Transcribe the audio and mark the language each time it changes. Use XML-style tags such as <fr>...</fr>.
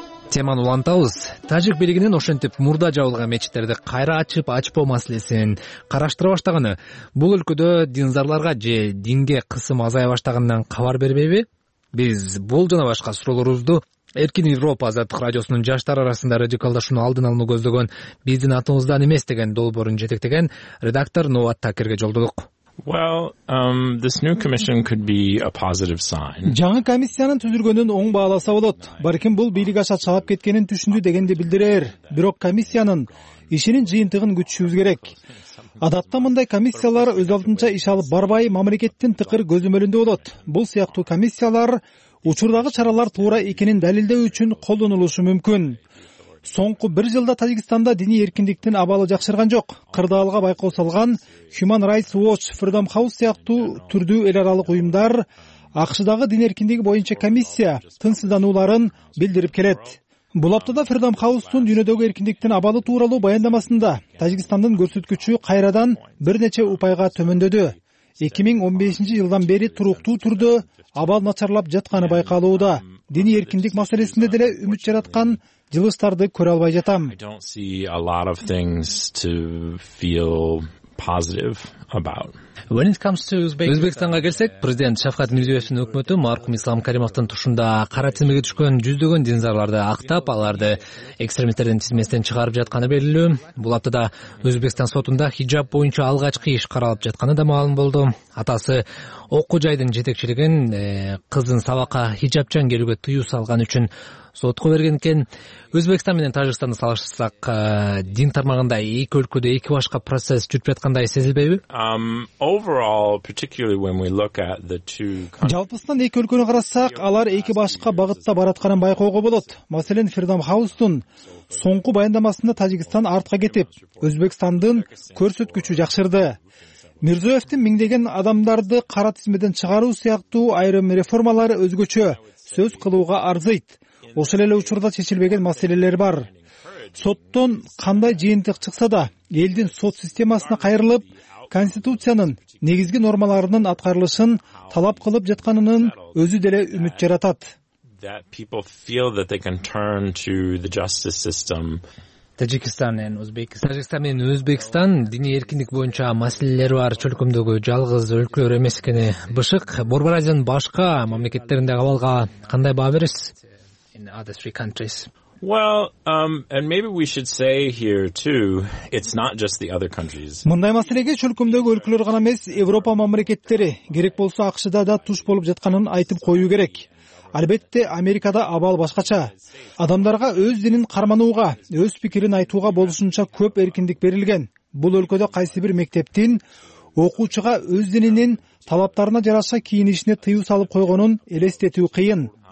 <ky>Теманы улантабыз. Тажик бийлигинин ошентип мурда жабылган мечиттерди кайра ачып ачпоо маселесин караштыра баштаганы бул өлкөдө динзарларга же динге кысым азая баштагандан кабар бербейби? Биз бул жана башка суроолорубузду Эркин Европа Азаттык радиосунун жаштар арасында радикалдашууну алдын алууну көздөгөн биздин атыбыздан эмес деген долбоорун жетектеген редактор Нова Такерге жолдодук.</ky> <en>This new commission could be a positive sign.</en> <ky>Жаңы комиссиянын түзүлгөнүн оң бааласа болот. Балким бул бийлик аша чаап кеткенин түшүндү дегенди билдирер. Бирок комиссиянын ишинин жыйынтыгын күтүшүбүз керек. Адатта мындай комиссиялар өз алдынча иш алып барбай, мамлекеттин тыкыр көзөмөлүндө болот. Бул сыяктуу комиссиялар учурдагы чаралар туура экенин далилдөө үчүн колдонулушу мүмкүн. Соңку бир жылда Тажикстанда диний эркиндиктин абалы жакшырган жок. Кырдаалга байкоо салган Human Rights Watch, Freedom House сыяктуу түрдүү эл аралык уюмдар АКШдагы дин эркиндиги боюнча комиссия тынчсыздануларын билдирип келет. Бул аптада Freedom House'тун дүйнөдөгү эркиндиктин абалы тууралуу баяндамасында Тажикстандын көрсөткүчү кайрадан бир нече упайга төмөндөдү. 2015 жылдан бери туруктуу түрдө абал начарлап жатканы байкалууда. Диний эркиндик маселесинде деле үмүт жараткан жылыстарды көрө албай жатам.</ky> <en>I don't see a lot of things to feel positive about. When it comes to</en> <ky>Uzbekistan'ga келсек, президент Шавкат Мирзиёевдин өкмөтү маркум Ислам Каримовдун тушунда кара тизмеге түшкөн жүздөгөн динзарларды актап, аларды экстремисттердин тизмесинен чыгарып жатканы белгилүү. Бул аптада Өзбекстан сотунда хиджаб боюнча алгачкы иш каралып жатканы да маалым болду. Атасы окуу жайдын жетекчилигин кызын сабакка хиджабчан келүүгө тыюу салган үчүн сотко берген экен. Өзбекстан менен Тажикстанды салыштырсак, дин тармагында эки өлкөдө эки башка процесс жүрүп жаткандай сезилбейби?</ky> <en>Overall, particularly when we look at the two countries.</en> <ky>Жалпысынан эки өлкөнү карасак, алар эки башка багытта баратканын байкоого болот. Маселен, Freedom House'тун соңку баяндамасында Тажикстан артка кетип, Өзбекстандын көрсөткүчү жакшырды. Мирзиёевдин миңдеген адамдарды кара тизмеден чыгаруу сыяктуу айрым реформалары өзгөчө сөз кылууга арзыйт. Ошол эле учурда чечилбеген маселелер бар. Соттон кандай жыйынтык чыкса да, элдин сот системасына кайрылып, конституциянын негизги нормаларынын аткарылышын талап кылып жатканынын өзү деле үмүт жаратат.</ky> <en>That people feel that they can turn to the justice system.</en> <ky>Тажикстан менен Өзбекстан диний эркиндик боюнча маселелери бар чөлкөмдөгү жалгыз өлкөлөр эмес экени бышык. Борбор Азиянын башка мамлекеттериндеги абалга кандай баа бересиз?</ky> <en>In other three countries. And maybe we should say here too, it's not just the other countries.</en> <ky>Мындай маселеге чөлкөмдөгү өлкөлөр гана эмес, Европа мамлекеттери, керек болсо АКШ'да да туш болуп жатканын айтып коюу керек. Албетте, Америкада абал башкача. Адамдарга өз динин карманууга, өз пикирин айтууга болушунча көп эркиндик берилген. Бул өлкөдө кайсы бир мектептин окуучуга өз дининин талаптарына жараша кийинишине тыюу салып койгонун элестетүү кыйын.</ky>